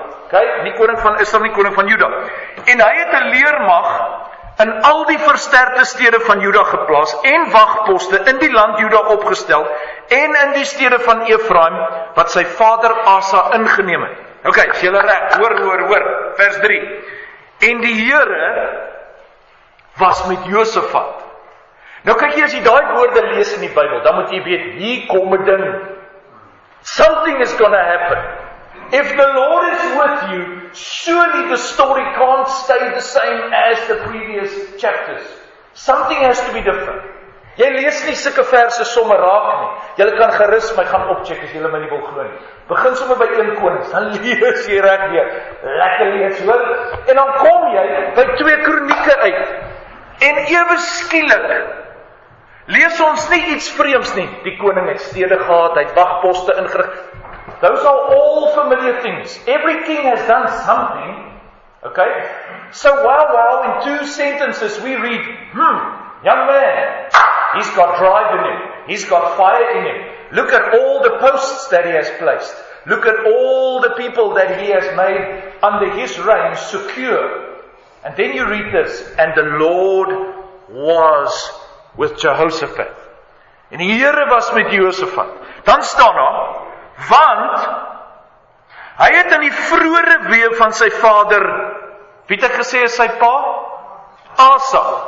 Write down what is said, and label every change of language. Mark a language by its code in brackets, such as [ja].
[af] Okay, nie koning van Israel nie, koning van Juda. En hy het 'n leermag in al die versterkte stede van Juda geplaas en wagposte in die land Juda opgestel en in die stede van Efraim wat sy vader Asa ingeneem het. Okay, is julle reg? Hoor, vers 3. En die Here was met Josafat. Nou kyk jy, as jy daai woorde lees in die Bybel, dan moet jy weet, hier kom 'n ding. [en] Something is going to happen. If the Lord is with you, surely the story can't stay the same as the previous chapters. Something has to be different. [af] Jy lees nie sulke verse sommer raak nie. Jy kan gerus my gaan opcheck as jy my nie wil glo nie. Begin sommer by 1 Konings, dan lees jy reg weer. Lekker lees, hoor. En dan kom jy by 2 Kronieke uit. En ewe skielik lees ons nie iets vreemds nie. Die koning het stede gehad, hy het wagposte ingerig. [en] Those are all familiar things. Every king has done something. Okay? So wow, in two sentences we read, young man, he's got drive in him. He's got fire in him. Look at all the posts that he has placed. Look at all the people that he has made under his reign secure. And then you read this, and the Lord was with Jehoshaphat. [af] En die Here was met Josafat. Dan staan daar, want hy het in die vroeë weë van sy vader, wie het gesê is sy pa? Asa.